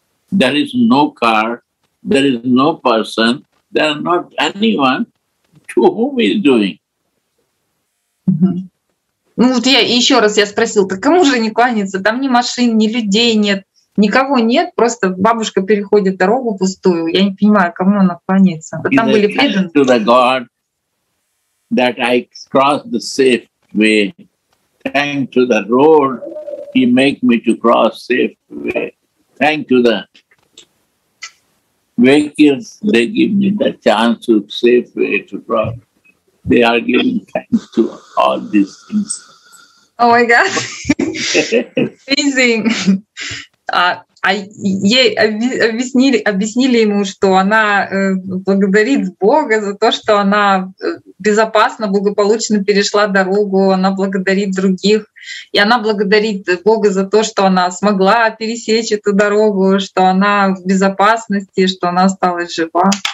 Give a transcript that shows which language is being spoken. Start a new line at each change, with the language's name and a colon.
English: There is no car, there is no person, there are not anyone to whom he is doing. Mm-hmm.
Russian: Ну вот я еще раз я спросил, так кому же не кланяться? Там ни машин, ни людей нет, никого нет, просто бабушка переходит дорогу пустую. Я не понимаю, кому она кланяется? А там были преданные.
English: That I cross the safe way. Thank to the road, he make me to cross safe way. Thank to the vehicles, they give me the chance to safe way to cross. They are giving thanks to all these things. Oh my God! Amazing.
Russian: Ей объяснили ему, что она благодарит Бога за то, что она безопасно, благополучно перешла дорогу, она благодарит других, и она благодарит Бога за то, что она смогла пересечь эту дорогу, что она в безопасности, что она осталась жива.